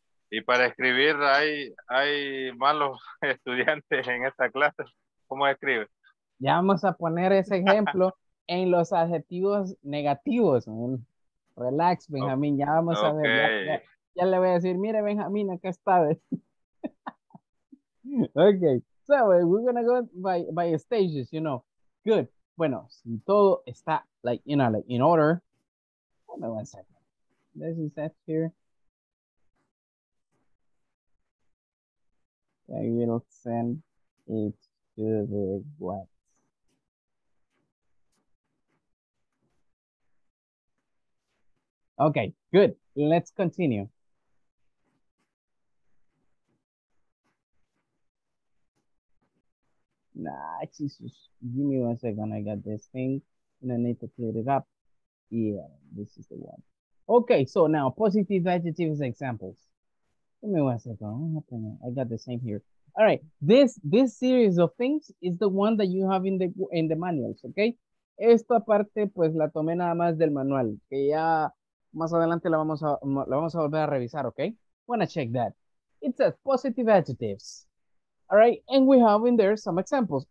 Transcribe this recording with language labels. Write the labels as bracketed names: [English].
[Spanish] Y para escribir, hay malos estudiantes en esta clase. ¿Cómo escribe? Ya vamos a poner ese ejemplo en los adjetivos negativos. Relax, Benjamín, ya vamos okay. A ver. Ya le voy a decir, mire, Benjamín, acá está. Ok. [English] So we're gonna go by stages, you know. Good. Bueno, si todo está like, you know, like in order. Hold on one second. This is that here. I will send it to the web. Okay, good. Let's continue. Nah, Jesus, give me one second, I got this thing, and I need to clear it up. Yeah, this is the one. Okay, so now, positive adjectives examples. Give me one second, what happened? I got the same here. All right, this series of things is the one that you have in the manuals, okay? [Spanish] Esta parte, pues, la tomé nada más del manual, que ya más adelante la vamos a volver a revisar, okay? [English] Wanna check that. It says positive adjectives. All right, and we have in there some examples.